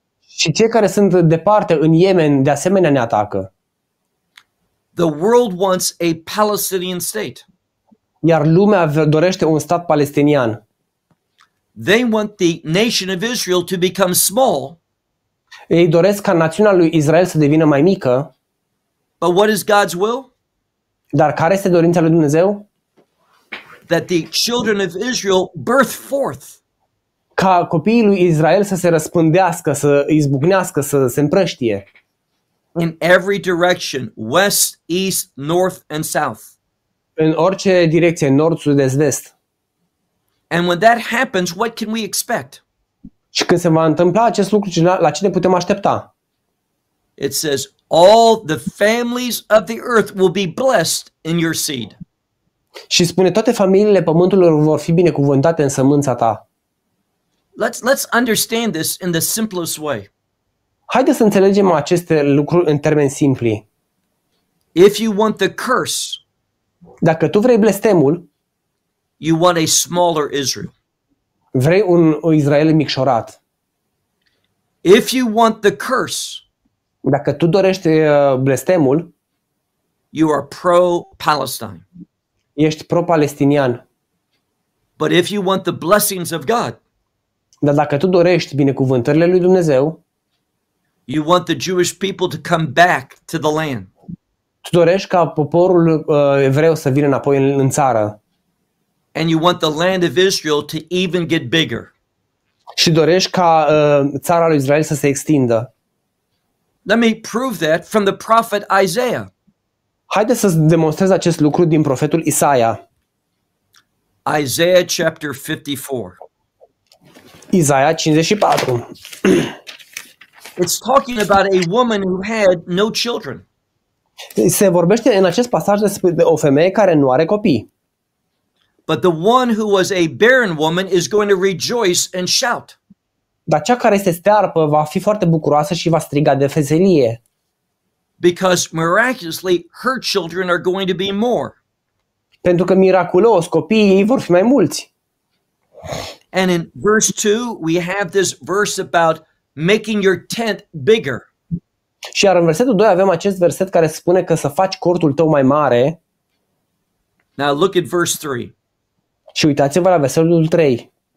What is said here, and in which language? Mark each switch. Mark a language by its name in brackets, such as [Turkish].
[Romanian] Și cei care sunt departe în Yemen de asemenea ne atacă. [English] The world wants a Palestinian state. [Romanian] Iar lumea dorește un stat palestinian. [English] They want the nation of Israel to become small. [Romanian] Ei doresc ca națiunea lui Israel să devină mai mică. [English] But what is God's will? [Romanian] Dar care este dorința lui Dumnezeu? [English] That the children of Israel birth forth. [Romanian] Ca copiii lui Israel să se răspândească, să izbucnească, să se împrăștie. [English] In every direction, west, east, north and south. [Romanian] În orice direcție, nord, sud, est, vest. [English] And when that happens, what can we expect? [Romanian] Și când se va întâmpla acest lucru, la ce ne putem aștepta? [English] It says, all the families of the earth will be blessed in your seed. [Romanian] Și spune toate familiile pământului vor fi binecuvântate în sămânța ta. [English] Let's understand this in the simplest way. [Romanian] Haide să înțelegem aceste lucruri în termeni simpli. [English] If you want the curse, [Romanian] dacă tu vrei blestemul, [English] you want a smaller Israel. [Romanian] Vrei un Israel micșorat. [English] If you want the curse, [Romanian] dacă tu dorești blestemul, [English] you are pro-Palestine. [Romanian] Ești pro-palestinian. [English] But if you want the blessings of God, [Romanian] dar dacă tu dorești binecuvântările lui Dumnezeu, [English] you want the Jewish people to come back to the land. [Romanian] Tu dorești ca poporul evreu să vină înapoi în țară. [English] And you want the land of Israel to even get bigger. [Romanian] Și dorești ca țara lui Israel să se extindă. [English] Let me prove that from the prophet Isaiah. [Romanian] Haide să demonstrez acest lucru din profetul Isaia. [English] Isaiah chapter 54. [Romanian] Isaia 54. [English] It's talking about a woman who had no children. [Romanian] Se vorbește în acest pasaj despre o femeie care nu are copii. [English] But the one who was a barren woman is going to rejoice and shout. [Romanian] Dar cea care este stearpă va fi foarte bucuroasă și va striga de veselie. [English] Because miraculously her children are going to be more. [Romanian] Pentru că miraculos copiii ei vor fi mai mulți. [English] And in verse 2 we have this verse about making your tent bigger. [Romanian] Și iar în versetul 2 avem acest verset care spune că să faci cortul tău mai mare. [English] Now look at verse 3. [Romanian] Și uitați-vă la versetul 3.